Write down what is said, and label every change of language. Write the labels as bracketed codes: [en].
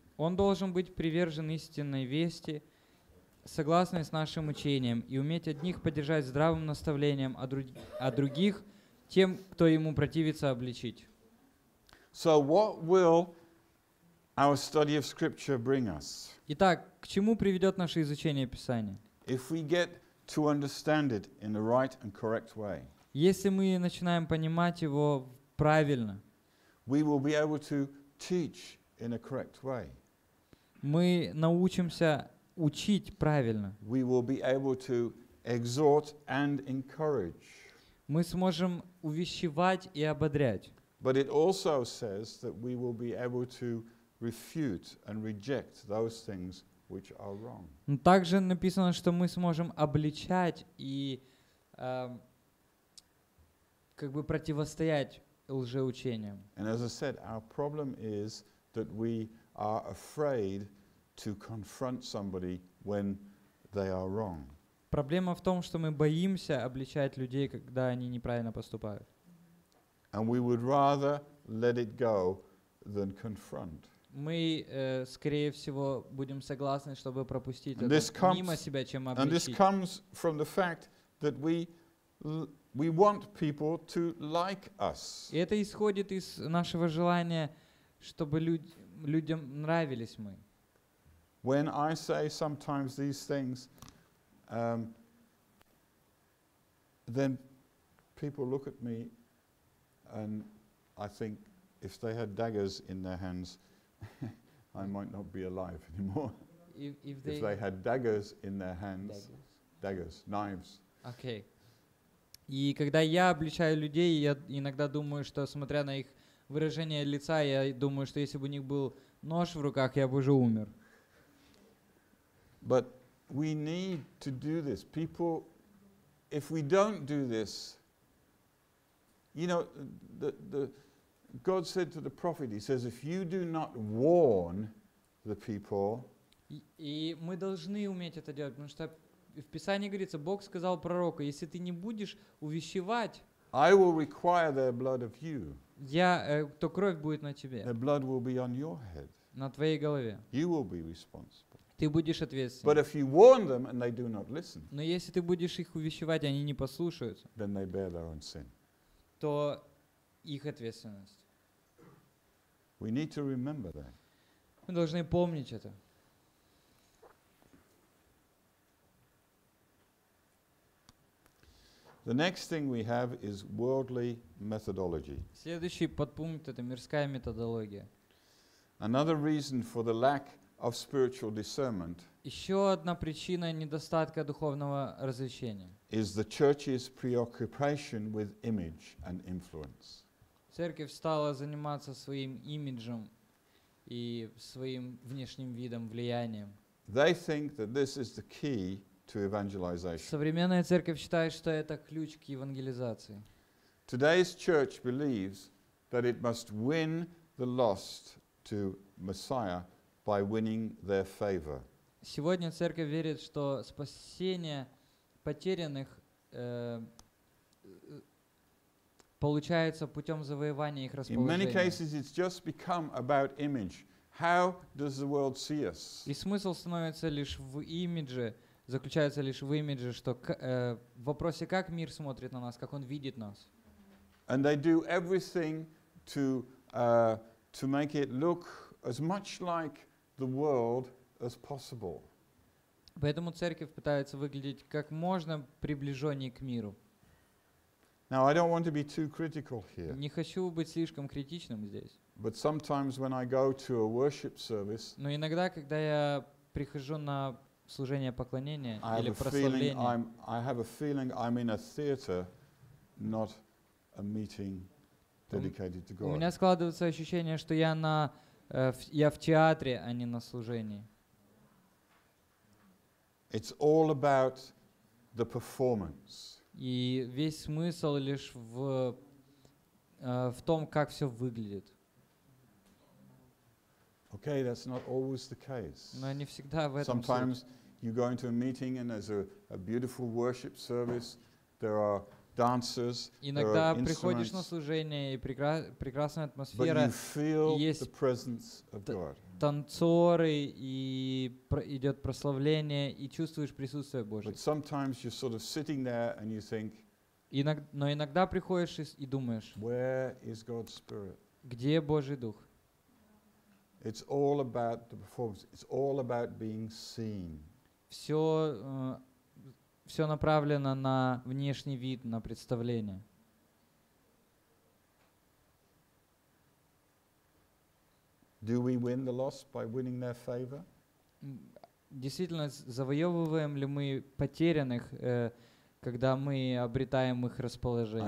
[ru] Он должен быть привержен истинной вести, согласной с нашим учением, и уметь одних поддержать здравым наставлением, а других тем, кто ему противится, обличить. [en] So what will our study of Scripture bring us? [ru] Итак, к чему приведет наше изучение Писания? [en] If we get to understand it in the right and correct way, [ru] если мы начинаем понимать его правильно, [en] we will be able to teach in a correct way. [ru] Мы научимся учить правильно. [en] We will be able to exhort and encourage. [ru] Мы сможем увещевать и ободрять. [en] But it also says that we will be able to refute and reject those things which are wrong. [ru] Также написано, что мы сможем обличать и как бы противостоять лжеучениям. [en] And as I said, our problem is that we are afraid to confront somebody when they are wrong. [ru] Проблема в том, что мы боимся обличать людей, когда они неправильно поступают. [en] And we would rather let it go than confront. [ru] мы, скорее всего, будем согласны, чтобы пропустить [en] and [ru] это [en] comes, [ru] мимо себя, чем обличить. [en] And this comes from the fact that we want people to like us. [ru] И это исходит из нашего желания, чтобы людям нравились мы. [en] When I say sometimes these things, then people look at me and I think if they had daggers in their hands, I might not be alive anymore. If they had daggers in their hands, daggers, knives. Okay. [ru] И когда я обличаю людей, я иногда думаю, что смотря на их выражение лица, я думаю, что если бы у них был нож в руках, я бы уже умер. [en] But we need to do this. People, if we don't do this, you know, the God said to the prophet, he says, if you do not warn the people, [ru] и мы должны уметь это делать, потому что в Писании говорится, Бог сказал пророку, если ты не будешь увещевать, [en] I will require their blood of you. [ru] Я, то кровь будет на тебе. [en] Their blood will be on your head. [ru] На твоей голове. [en] You will be responsible. [ru] Ты будешь ответственен. [en] But if you warn them and they do not listen, [ru] но если ты будешь их увещевать, они не послушаются, [en] then they bear their own sin. [ru] То их ответственность. [en] We need to remember that. [ru] Мы должны помнить это. [en] The next thing we have is worldly methodology. [ru] Следующий подпункт — это мирская методология. [en] Another reason for the lack of spiritual discernment. [ru] Еще одна причина недостатка духовного развлечения. [en] Is the church's preoccupation with image and influence. [ru] Церковь стала заниматься своим имиджем и своим внешним видом влиянием. [en] They think that this is the key to evangelization. [ru] Современная церковь считает, что это ключ к евангелизации. [en] Today's church believes that it must win the lost to Messiah by winning their favor. [ru] Сегодня церковь верит, что спасение потерянных получается путем завоевания их расположения. [en] In many cases it's just become about image. How does the world see us? [ru] И смысл становится лишь в имидже. Заключается лишь в имидже, что в вопросе, как мир смотрит на нас, как он видит нас. [en] And they do everything to make it look as much like the world as possible. [ru] Поэтому церковь пытается выглядеть как можно приближеннее к миру. [en] Now I don't want to be too critical here. [ru] Не хочу быть слишком критичным здесь. [en] But sometimes when I go to a worship service, [ru] но иногда, когда я прихожу на служение поклонения или прославление. [en] I have a feeling I'm in a theater, not a meeting dedicated to God. [ru] У меня складывается ощущение, что я в театре, а не на служении. [en] It's all about the performance. [ru] И весь смысл лишь в том, как все выглядит. [en] Okay, that's not always the case. [ru] Но не всегда в этом. [en] Sometimes you go into a meeting and there's a beautiful worship service. There are dancers. [ru] Иногда приходишь на служение и прекрасная атмосфера. [en] But you feel the presence of God. [ru] Танцоры и идет прославление и чувствуешь присутствие Божье. [en] But sometimes you're sort of sitting there and you think. [ru] Но иногда приходишь и думаешь. [en] Where is God's Spirit? [ru] Где Божий Дух? [en] It's all about the performance. It's all about being seen. [ru] Все направлено на внешний вид, на представление. [en] Do we win the lost by winning their favor? [ru] Действительно, завоевываем ли мы потерянных, когда мы обретаем их расположение?